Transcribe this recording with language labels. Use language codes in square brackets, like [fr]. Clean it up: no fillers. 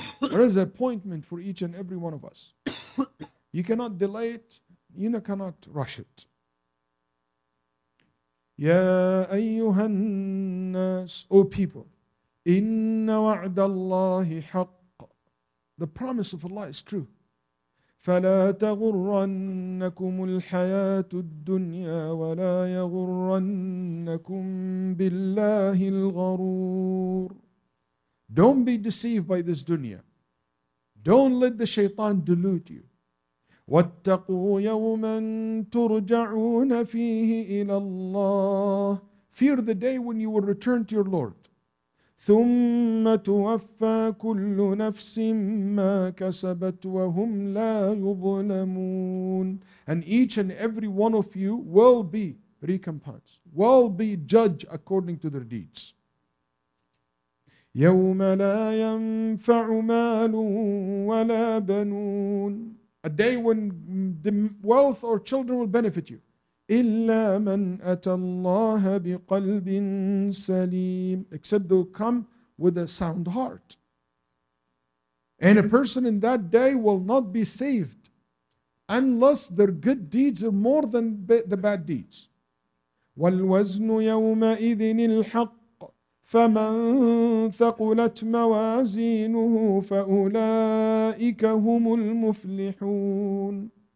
[en] There is an appointment for each and every one of us. You cannot delay it, you cannot rush it. [ar] يا أيها الناس, [en] O people, [ar] إن وعد الله حق. [en] The promise of Allah is true. [ar] فلا تغرنكم الحياة الدنيا ولا يغرنكم بالله الغرور. [en] Don't be deceived by this dunya. Don't let the shaitan delude you. [ar] واتقوا يوما ترجعون فيه إلى الله. [en] Fear the day when you will return to your Lord. [ar] ثم توفى كل نفس ما كسبت وهم لا يظلمون. [en] And each and every one of you will be recompensed, will be judged according to their deeds. [ar] يوم لا ينفع مال ولا بنون. [en] A day when the wealth or children will benefit you. [ar] إلا من أتى الله بقلب سليم. [en] Except they'll come with a sound heart. And a person in that day will not be saved unless their good deeds are more than the bad deeds. [ar] والوزن يومئذ الحق فمن ثقلت موازينه فأولئك هم المفلحون.